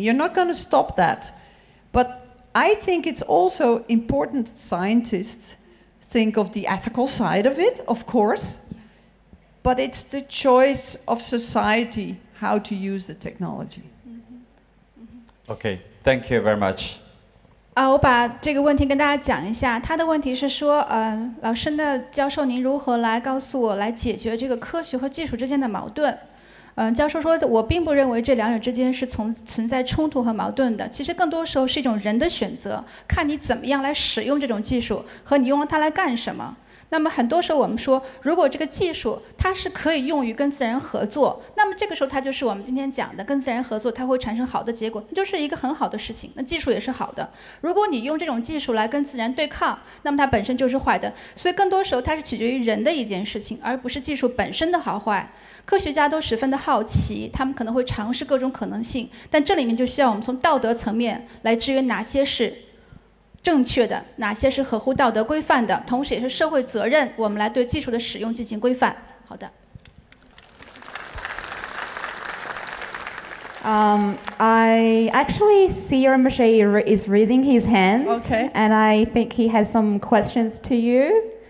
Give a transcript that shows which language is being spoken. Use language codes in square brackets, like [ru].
[en] You're not going to stop that. But I think it's also important scientists... think of the ethical side of it, of course, but it's the choice of society how to use the technology. Okay, thank you very much. [zh] 我把这个问题跟大家讲一下。他的问题是说，老师呢，教授您如何来告诉我来解决这个科学和技术之间的矛盾？教授说，我并不认为这两者之间是存在冲突和矛盾的。其实更多时候是一种人的选择，看你怎么样来使用这种技术和你用它来干什么。那么很多时候我们说，如果这个技术它是可以用于跟自然合作，那么这个时候它就是我们今天讲的跟自然合作，它会产生好的结果，那就是一个很好的事情，那技术也是好的。如果你用这种技术来跟自然对抗，那么它本身就是坏的。所以更多时候它是取决于人的一件事情，而不是技术本身的好坏。科学家都十分的好奇，他们可能会尝试各种可能性，但这里面就需要我们从道德层面来支援哪些是正确的，哪些是合乎道德规范的，同时也是社会责任，我们来对技术的使用进行规范。好的。 [en] I actually see your Moshe is raising his hands. Okay. And I think he has some questions to you.